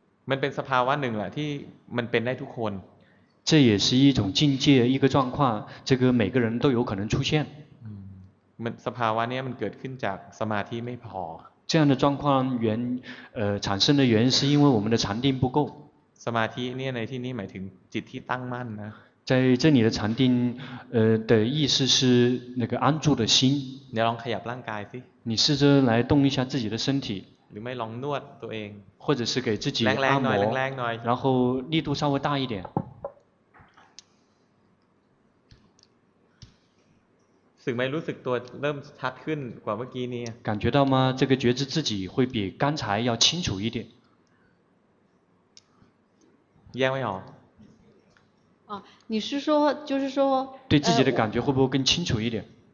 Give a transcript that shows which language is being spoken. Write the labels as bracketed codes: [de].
[th] มันเป็นสภาวะหนึ่งแหละที่มันเป็นได้ทุกคน [zh] 这也是一种境界一个状况这个每个人都有可能出现 [th] มันสภาวะนี้มันเกิดขึ้นจากสมาธิไม่พอ [zh] 这样的状况原产生的原因是因为我们的禅定不够 [th] สมาธิเนี่ยในที่นี้หมายถึงจิตที่ตั้งมั่นนะ [zh] 在这里的禅定的意思是那个安住的心你要 [th] ลองขยับร่างกายสิ [zh] 你试着来动一下自己的身体 [th] หรือไม่ลองนวดตัวเอง [zh] 或者是给自己按摩然后力度稍微大一点 [th] สึกไหมรู้สึกตัวเริ่มชัดขึ้นกว่าเมื่อกี้นี้ [zh] 感觉到吗这个觉知自己会比刚才要清楚一点 [th] แยกไม่ออก [zh] 啊你是说就是说对自己的感觉会不会更清楚一点